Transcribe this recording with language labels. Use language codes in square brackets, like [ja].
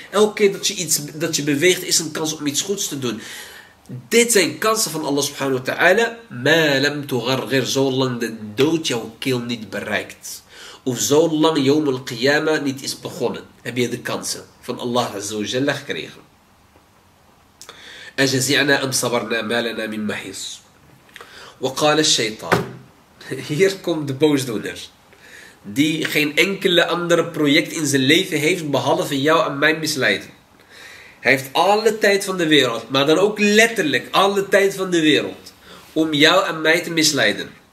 [nl] Elke keer dat je beweegt, is een kans om iets goeds te doen. Dit zijn kansen van Allah subhanahu wa ta'ala. [ar] Ma lam tugharghir, [nl] zolang de dood jouw keel niet bereikt. Of zolang yawm al-qiyama niet is begonnen. Heb je de kansen van Allah azawajalla gekregen. [ar] أجزعنا أم صبرنا ما لنا من محيص. وقال الشيطان [nl] hier komt de boosdoener die geen enkele andere project in zijn leven heeft behalve jou en mij misleiden. Hij heeft alle tijd van de wereld, maar dan ook letterlijk alle tijd van de wereld om jou en mij te misleiden.